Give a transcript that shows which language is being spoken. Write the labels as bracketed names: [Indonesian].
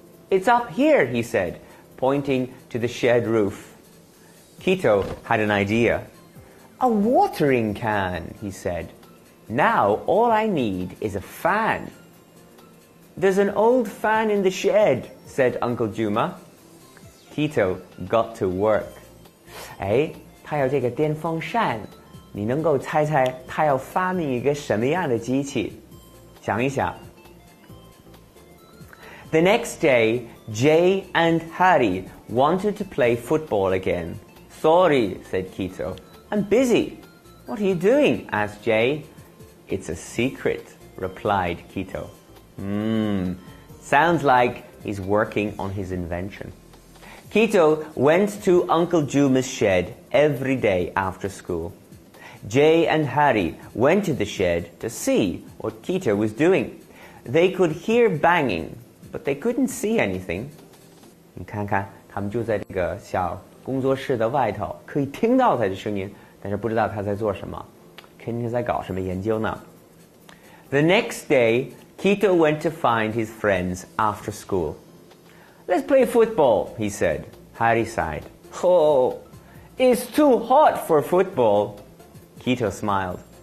[English] "It's up here," he said, pointing to the shed roof. Kito had an idea. "A watering can," he said. "Now all I need is a fan." "There's an old fan in the shed," said Uncle Juma. Kito got to work. [Chinese] 哎，他有这个电风扇，你能够猜猜他要发明一个什么样的机器？想一想。 [English] The next day, Jay and Hari wanted to play football again. "Sorry," said Kito. "I'm busy." "What are you doing?" asked Jay. "It's a secret," replied Kito. Sounds like he's working on his invention. Kito went to Uncle Juma's shed every day after school. Jay and Hari went to the shed to see what Kito was doing. They could hear banging, but they couldn't see anything. [Chinese] 你看看，他们就在这个小工作室的外头，可以听到他的声音，但是不知道他在做什么，肯定在搞什么研究呢。 [English] The next day, Kito went to find his friends after school. "Let's play football," he said. Hari sighed. "Oh, it's too hot for football." Kito smiled.